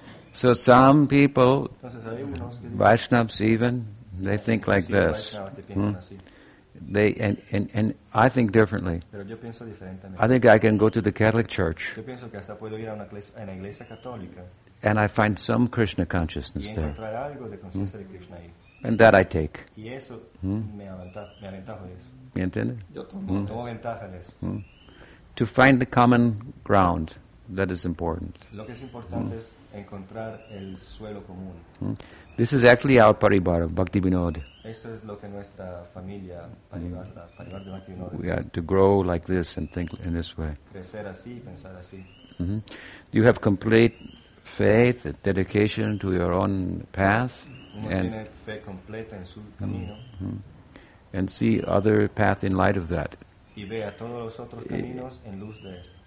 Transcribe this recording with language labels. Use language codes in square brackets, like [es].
[en] So some people, Vaishnavs even, they think like this. They and I think differently. [es] Pero yo pienso diferentemente. [en] I think I can go to the Catholic Church. [es] Yo pienso que hasta puedo ir a una iglesia católica. [en] And I find some Krishna consciousness [es] y [en] there. [es] Encontrar algo de consciencia de Krishna ahí. [en] And that I take. [es] Y eso me aventajo de eso. ¿Me entiendes? Yo tomo ventaja de eso. [en] To find the common ground. That is important. [es] Lo que es importante es encontrar el suelo común. [en] This is actually our Parivara, Bhaktivinoda. [es] Esto es lo que nuestra familia Parivasta, Parivar de Bhaktivinoda. [en] We are to grow like this and think in this way. [es] Crecer así, pensar así. [en] You have complete faith, dedication to your own path. [es] And tiene fe completa en su camino. [en] And see other path in light of that. [es] Y vea todos los otros caminos en luz de esto.